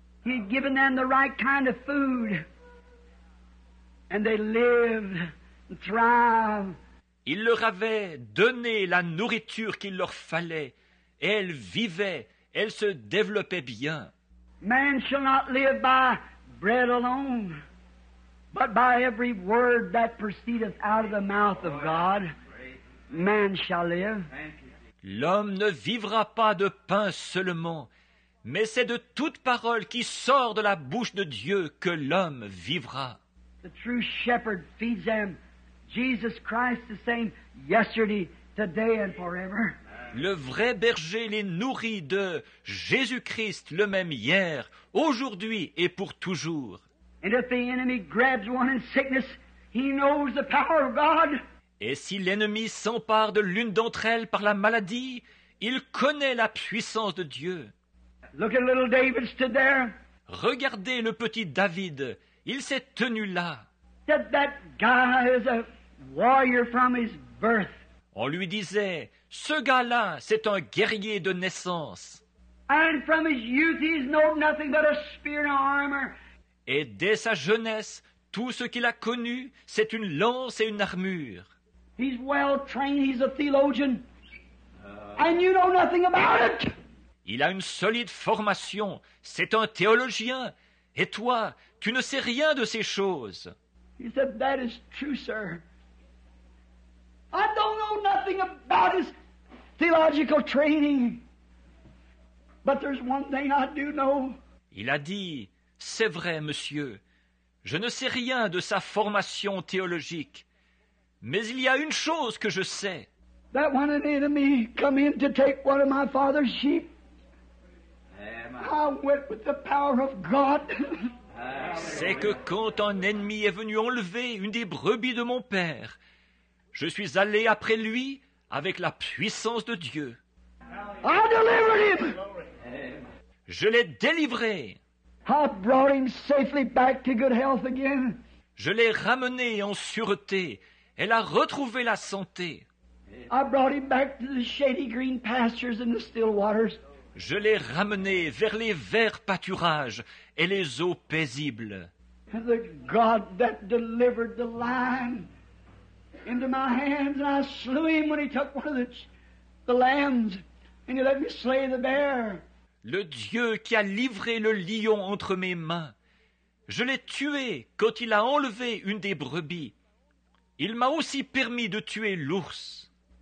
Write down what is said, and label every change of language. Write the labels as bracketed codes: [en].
[en] He had given them the right kind of food. And they lived and thrived. [fr] Il leur avait donné la nourriture qu'il leur fallait. Et elle vivait, elle se développait bien. [en] Man shall not live by bread alone, but by every word that proceedeth out of the mouth of God, man shall live. [fr] L'homme ne vivra pas de pain seulement, mais c'est de toute parole qui sort de la bouche de Dieu que l'homme vivra. [en] The true shepherd feeds them. Jesus Christ the same yesterday, today and forever. [fr] Le vrai berger les nourrit de Jésus-Christ, le même hier, aujourd'hui et pour toujours. [en] And if the enemy grabs one in sickness, he knows the power of God. [fr] Et si l'ennemi s'empare de l'une d'entre elles par la maladie, il connaît la puissance de Dieu. [en] Look at little David stood there. [fr] Regardez le petit David, il s'est tenu là. [en] That guy is a warrior from his birth. [fr] On lui disait, ce gars-là, c'est un guerrier de naissance. [en] And from his youth, he's known nothing but a spear and armor. [fr] Et dès sa jeunesse, tout ce qu'il a connu, c'est une lance et une armure. [en] He's well trained, he's a theologian. And you know nothing about it. [fr] Il a une solide formation, c'est un théologien. Et toi, Tu ne sais rien de ces choses. [en] He said, that is true, sir. I don't know nothing about his theological training. But there's one thing I do know. [fr] Il a dit, c'est vrai, monsieur, je ne sais rien de sa formation théologique, mais il y a une chose que je sais. [en] That when an enemy come in to take one of my father's sheep, I went with the power of God. [fr] C'est que quand un ennemi est venu enlever une des brebis de mon père, je suis allé après lui avec la puissance de Dieu. [en] I delivered him. [fr] Je l'ai délivré. [en] I brought him safely back to good health again. [fr] Je l'ai ramené en sûreté. Elle a retrouvé la santé. [en] I brought him back to the shady green pastures and the still waters. [fr] Je l'ai ramené vers les verts pâturages et les eaux paisibles. [en] The God that delivered the lion into my hands, and I slew him when he took one of the lambs, and he let me slay the bear. [fr] Le Dieu qui a livré le lion entre mes mains. Je l'ai tué quand il a enlevé une des brebis. Il m'a aussi permis de tuer l'ours.